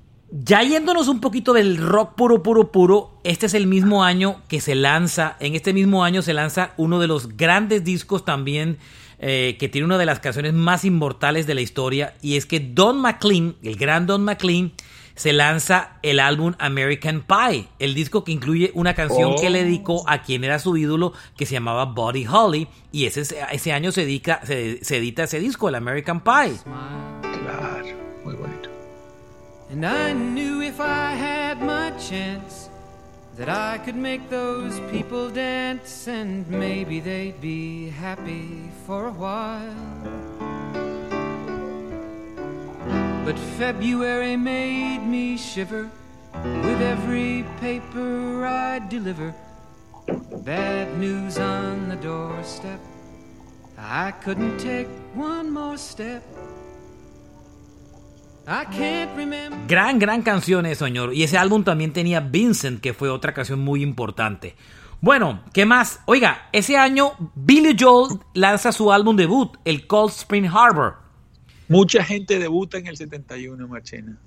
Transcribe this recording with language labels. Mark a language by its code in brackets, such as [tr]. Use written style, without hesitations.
[es] ya yéndonos un poquito del rock puro, puro, puro, este es el mismo año que se lanza, en este mismo año se lanza uno de los grandes discos también, que tiene una de las canciones más inmortales de la historia, y es que Don McLean, el gran Don McLean, se lanza el álbum American Pie, el disco que incluye una canción que le Oh. dedicó a quien era su ídolo, que se llamaba Buddy Holly, y ese año se edita ese disco, el American Pie. Claro, muy bonito. [en] And I knew if I had my chance that I could make those people dance and maybe they'd be happy for a while. But February made me shiver with every paper I deliver. Bad news on the doorstep. I couldn't take one more step. I can't remember. [es] Gran, gran canción eso, señor. Y ese álbum también tenía Vincent, que fue otra canción muy importante. Bueno, ¿qué más? Oiga, ese año Billy Joel lanza su álbum debut, el Cold Spring Harbor. Mucha gente debuta en el 71, Marchena.